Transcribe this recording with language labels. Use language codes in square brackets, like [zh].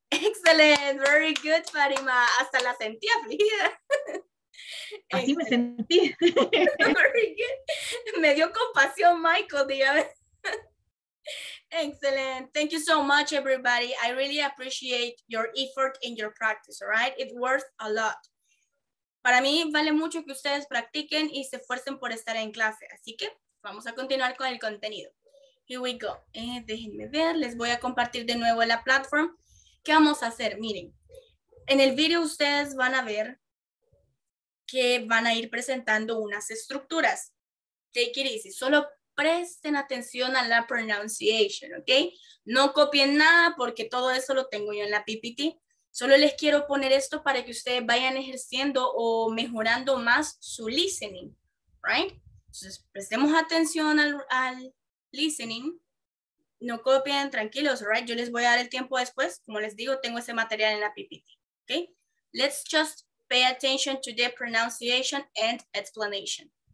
[en] Excellent, very good, [es] Fatima. Hasta la sentí afligida. Así me sentí. [en] Very good. [es] Me dio compasión, Michael, dígame. [en] Excellent. Thank you so much, everybody. I really appreciate your effort and your practice, all right? It's worth a lot. [es] Para mí vale mucho que ustedes practiquen y se esfuercen por estar en clase. Así que vamos a continuar con el contenido. [en] Here we go. [es] Déjenme ver. Les voy a compartir de nuevo la plataforma. ¿Qué vamos a hacer? Miren, en el video ustedes van a ver que van a ir presentando unas estructuras. [en] Take it easy. [es] Solo presten atención a la pronunciation, ¿ok? No copien nada porque todo eso lo tengo yo en la PPT. Solo les quiero poner esto para que ustedes vayan ejerciendo o mejorando más su listening, ¿right? Entonces, prestemos atención al listening. No copien, tranquilos, right? Yo les voy a dar el tiempo después. Como les digo, tengo ese material en la PPT, okay? [en] Let's just pay attention to the pronunciation and explanation.